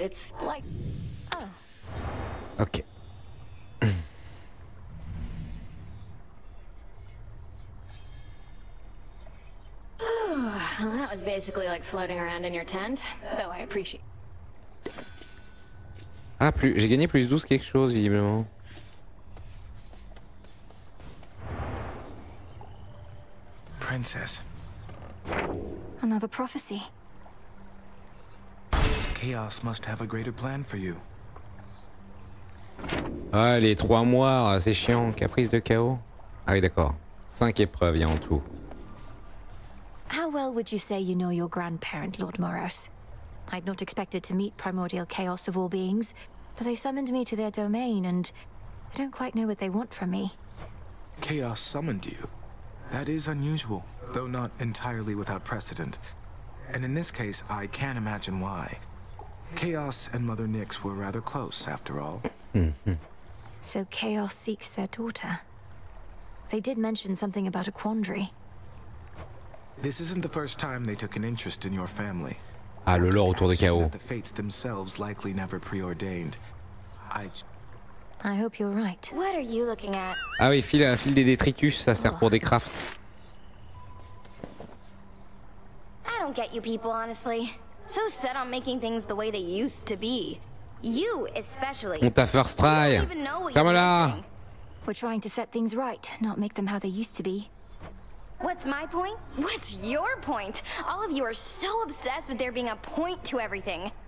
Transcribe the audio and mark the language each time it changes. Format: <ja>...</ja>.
<en>It's like... Oh. Okay. Well, that was basically like floating around in your tent, though I appreciate.</en> <fr>Ah, plus j'ai gagné plus 12 quelque chose visiblement.</fr> <en>Princess. Another prophecy. Chaos must have a greater plan for you.</en> <fr>Ah, les 3 mois, c'est chiant, caprice de chaos. Ah oui, d'accord. 5 épreuves il y a en tout.</fr> <en>How well would you say you know your grandparent, Lord Moros? I'd not expected to meet primordial chaos of all beings, but they summoned me to their domain, and I don't quite know what they want from me. Chaos summoned you? That is unusual, though not entirely without precedent. And in this case, I can't imagine why. Chaos and Mother Nyx were rather close, after all. So Chaos seeks their daughter. They did mention something about a quandary. This isn't the first time they took an interest in your family.</en> <fr>Ah, le lore autour de Chaos.</fr> <en>The fates themselves likely never preordained. I hope you're right. What are you looking at?</en> <fr>Ah oui, file des détritus, ça sert pour des crafts.</fr> <en>I don't get you people, honestly. So set on making things the way they used to be. You especially.</en> <fr>On t'a first try.</fr> <en>Come on</en> <fr>là.</fr> <en>We're trying to set things right, not make them how they used to be. What's my point? What's your point? All of you are so obsessed with there being a point to everything.</en>